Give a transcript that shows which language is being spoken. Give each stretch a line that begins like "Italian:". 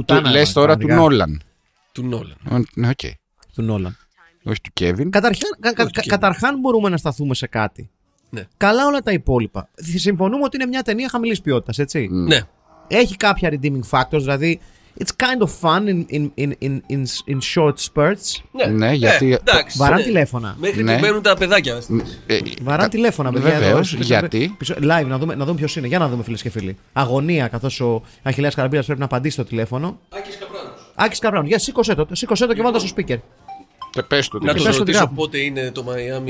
Greek: Λες τώρα του Νόλαν. Του Νόλαν. Ναι, okay. Του Νόλαν. Όχι του Κέβιν. Καταρχάς μπορούμε να σταθούμε σε κάτι. Ναι. Καλά όλα τα υπόλοιπα. Συμφωνούμε ότι είναι μια ταινία χαμηλής ποιότητας, έτσι. Ναι. Έχει κάποια
English: redeeming factors,
Greek: δηλαδή.
English: It's kind of fun in short spurts.
Greek: Ναι, γιατί. Βαράν ναι. Τηλέφωνα. Μέχρι ναι. Που παίρνουν τα παιδάκια. Βαράν τηλέφωνα, παιδιά. Βεβαίως, γιατί. Live, να δούμε ποιος είναι. Για να δούμε, φίλες και φίλοι. Αγωνία, καθώς ο Αχιλλέας Καραμπίδας πρέπει να απαντήσει το τηλέφωνο. Άκης Καπράνος, για σήκωσέ το και βάλτε στο speaker. Και πες το. Να το ρωτήσω πότε είναι το Miami.